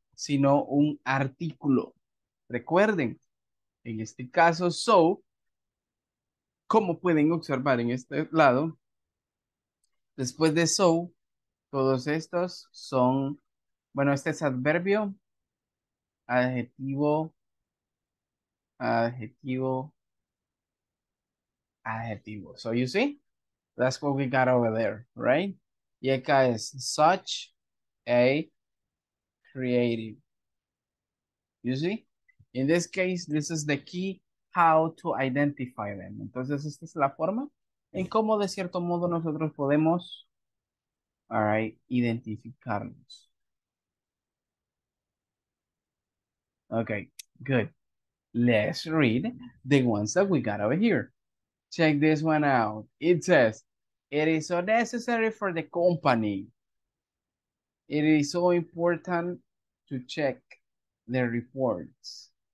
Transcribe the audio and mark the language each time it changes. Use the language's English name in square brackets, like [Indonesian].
[Spanish] Sino un artículo. Recuerden, en este caso, so, como pueden observar en este lado, después de so, todos estos son, bueno, este es adverbio, adjetivo, adjetivo, adjetivo. [English] So you see, that's what we got over there, right? [Spanish] Y acá es [English] such a creative. You see? In this case, this is the key how to identify them. [Spanish] Entonces, esta es la forma en cómo de cierto modo nosotros podemos, all right, identificarnos. [English] Okay, good. Let's read the ones that we got over here. Check this one out. It says, it is so necessary for the company. It is so important to check the reports.